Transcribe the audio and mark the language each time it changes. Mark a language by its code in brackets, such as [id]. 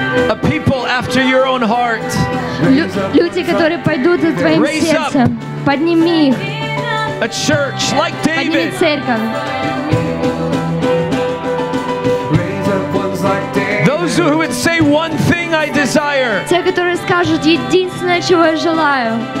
[en] A people after your own heart. [ru] Люди, которые пойдут за твоим сердцем. Подними их. [en] A church like David. [ru] Подними церковь. [en] Those who would say one thing I desire. [ru] Те, которые скажут единственное, чего я желаю.